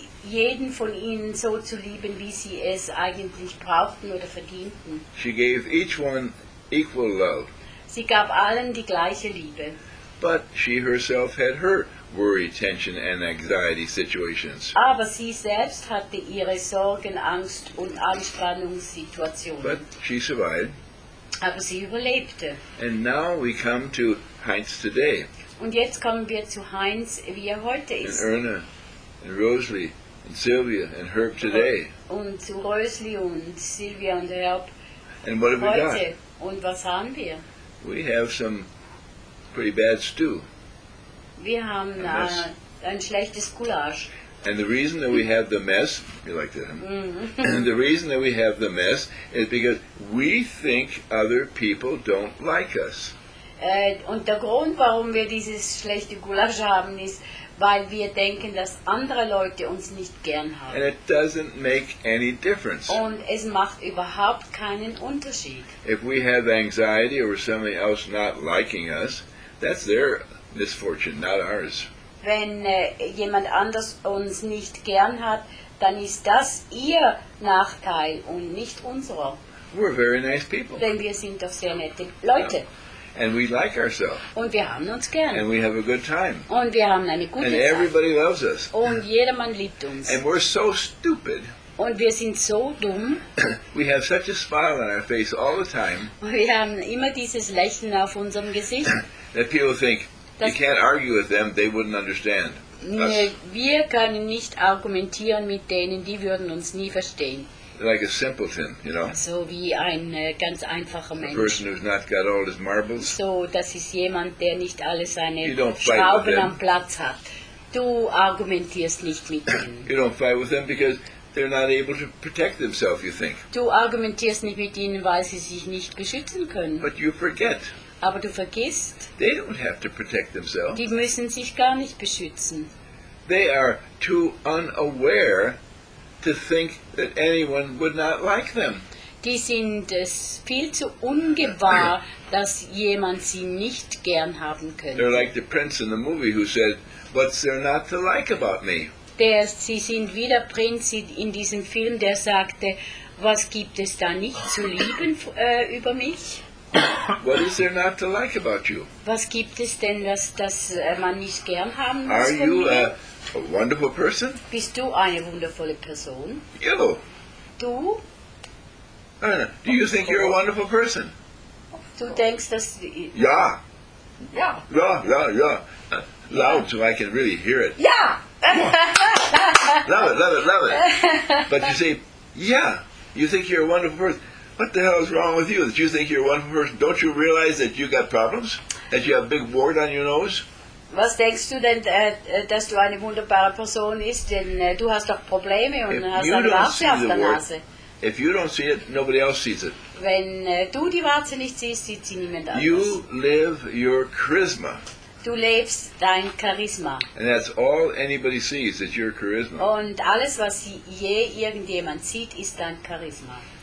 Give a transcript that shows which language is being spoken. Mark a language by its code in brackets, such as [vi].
[de] Jeden von ihnen so zu lieben, wie sie es eigentlich brauchten oder verdienten. [en] She gave each one equal love. [de] Sie gab allen die gleiche Liebe. [en] But she herself had her worry, tension and anxiety situations. [de] Aber sie selbst hatte ihre Sorgen, Angst und Anspannungssituationen. [en] But she survived. [de] Aber sie überlebte. [en] And now we come to Heinz today. [de] Und jetzt kommen wir zu Heinz, wie heute ist. [en] And Erna, and Rosalie, and Sylvia, and Herb today. [de] Und zu Rosalie und Sylvia und Herb. [en] And what have [de] heute. [en] We got? [de] Und was haben wir? [en] We have some pretty bad stew. [de] Wir haben ein schlechtes Gulasch. [en] And the reason that we have the mess, you like that, huh? Mm-hmm. And the reason that we have the mess is because we think other people don't like us. [de] Und der Grund, warum wir dieses schlechte Gulasch haben, ist, weil wir denken, dass andere Leute uns nicht gern haben. [en] And it doesn't make any difference. [de] Und es macht überhaupt keinen Unterschied. [en] If we have anxiety or somebody else not liking us, that's their misfortune, not ours. [de] Wenn jemand anders uns nicht gern hat, dann ist das ihr Nachteil und nicht unserer. [en] We're very nice people. [de] Denn wir sind doch sehr nette Leute. Yeah. [en] And we like ourselves. [de] Und wir haben uns gern. [en] And we have a good time. [de] Und wir haben eine gute [en] and everybody [de] Zeit. [en] Loves us. [de] Und jedermann liebt uns. [en] And we're so stupid. [de] Und wir sind so dumm. [en] We have such a smile on our face all the time. [de] Wir haben immer dieses Lächeln auf unserem Gesicht. [en] That people think, you can't argue with them, they wouldn't understand. [de] Wir können nicht argumentieren mit denen, die würden uns nie verstehen. [en] Like a simpleton, you know. [de] So wie ein ganz einfacher Mensch. [en] A person who's not got all his marbles. [de] So, das ist jemand, der nicht alle seine Schrauben am Platz hat. Du argumentierst nicht mit ihm. [en] You don't fight with them because they're not able to protect themselves, you think. [de] Du argumentierst nicht mit ihnen, weil sie sich nicht beschützen können. [en] But you forget. [de] Aber du vergisst. [en] They don't have to protect themselves. [de] Die müssen sich gar nicht beschützen. [en] They are too unaware to think that anyone would not like them. [de] Die sind viel zu ungewahr, dass jemand sie nicht gern haben könnte. [en] They're like the prince in the movie who said, "What's there not to like about me?" [de] Sie sind wie der Prinz in diesem Film, der sagte, was gibt es da nicht zu lieben über mich? [en] What is there not to like about you? [de] Was gibt es denn, dass man nicht gern haben muss? [en] Are you a wonderful person? [de] Bist du eine wundervolle Person? [en] You. [de] Du? [en] Do you think you're a wonderful person? [de] Du denkst, dass... Ja. Ja. Ja, ja, ja. [en] Loud so I can really hear it. [de] Ja! [en] Love it, love it, love it. But you say, yeah, you think you're a wonderful person. What the hell is wrong with you that you think you're a wonderful person? Don't you realize that you got problems? That you have a big wart on your nose? [de] Was denkst du denn, dass du eine wunderbare Person ist? Denn du hast doch Probleme und hast eine Warze auf der Nase. [en] If you don't see it, nobody else sees it. [de] Wenn du die Warze nicht siehst, sieht sie niemand anders. [en] You live your charisma. [de] Du lebst dein Charisma. [en] And that's all anybody sees, is your charisma. [de] Und alles, was je irgendjemand sieht, ist dein Charisma.